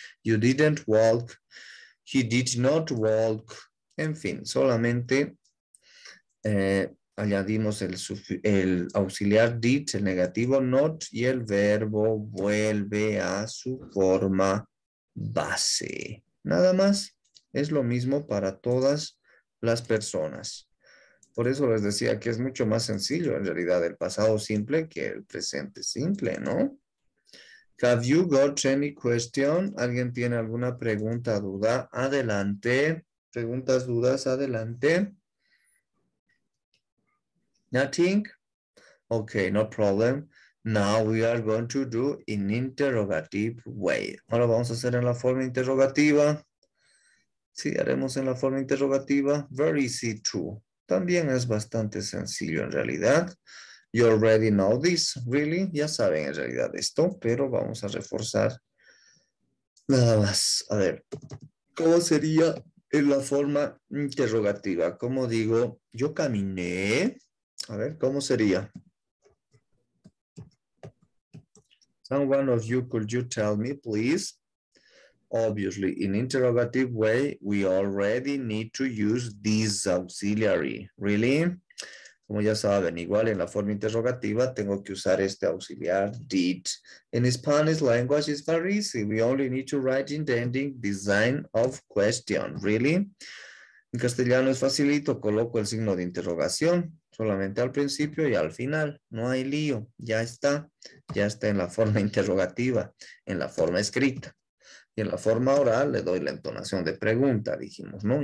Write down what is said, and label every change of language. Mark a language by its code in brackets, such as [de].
[en] You didn't walk, he did not walk, [es] en fin, solamente añadimos el auxiliar did, el negativo not, y el verbo vuelve a su forma base. Nada más. Es lo mismo para todas las personas. Por eso les decía que es mucho más sencillo en realidad el pasado simple que el presente simple, ¿no? [en] Have you got any question? [es] ¿Alguien tiene alguna pregunta, duda? Adelante. Preguntas, dudas, adelante. [en] Nothing? Okay, no problem. Now we are going to do in interrogative way. [es] Ahora vamos a hacer en la forma interrogativa. Sí, haremos en la forma interrogativa. [en] Very easy too. [es] También es bastante sencillo en realidad. [en] You already know this, really. [es] Ya saben en realidad esto, pero vamos a reforzar nada más. A ver, ¿cómo sería en la forma interrogativa? ¿Cómo digo, yo caminé? A ver, ¿cómo sería? [en] Someone of you, could you tell me, please? Obviously, in interrogative way, we already need to use this auxiliary. Really? [es] Como ya saben, igual en la forma interrogativa, tengo que usar este auxiliar, did. [en] In Spanish language, it's very easy. We only need to write in the ending design of question. Really? [es] En castellano es facilito, coloco el signo de interrogación. Solamente al principio y al final. No hay lío. Ya está. Ya está en la forma interrogativa. En la forma escrita. Y en la forma oral le doy la entonación de pregunta. Dijimos, ¿no?